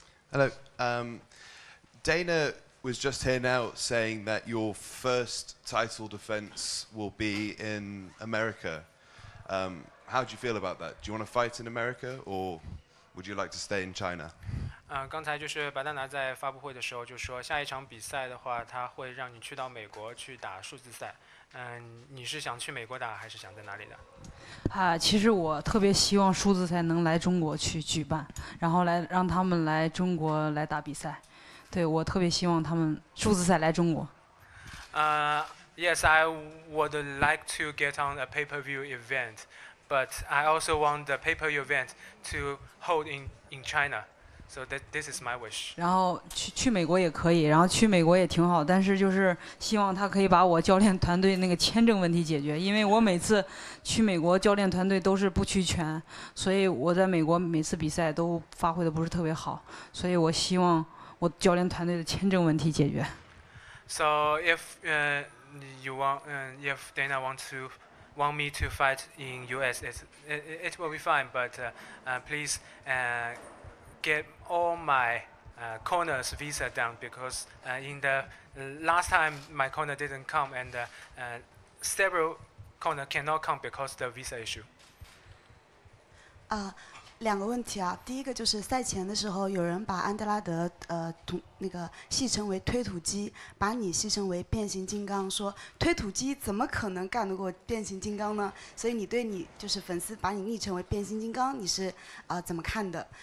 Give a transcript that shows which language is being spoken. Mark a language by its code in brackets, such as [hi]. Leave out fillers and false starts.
[en] Hello. Dana was just here now saying that your first title defense will be in America. How do you feel about that? Do you want to fight in America or would you like to stay in China? [zh] 刚才就是白大拿在发布会的时候就说下一场比赛的话他会让你去到美国去打数字赛。你是想去美国打还是想在哪里打？其实我特别希望数字赛能来中国去举办，然后来让他们来中国来打比赛。对，我特别希望他们数字赛来中国。 [en] Yes, I would like to get on a pay-per-view event. But I also want the pay-per-view event to hold in China, so this is my wish. [zh] 然后去美国也可以，然后去美国也挺好，但是就是希望他可以把我教练团队那个签证问题解决，因为我每次去美国教练团队都是不去全，所以我在美国每次比赛都发挥的不是特别好，所以我希望我教练团队的签证问题解决。 [en] So if you want, if Dana want me to fight in US, it will be fine, but please get all my corner's visa down, because in the last time my corner didn't come, and several corner cannot come because of the visa issue. [zh] 两个问题啊，第一个就是赛前的时候有人把安德拉德那个戏称为推土机，把你戏称为变形金刚，说推土机怎么可能干得过变形金刚呢？所以你对你就是粉丝把你昵称为变形金刚，你是怎么看的？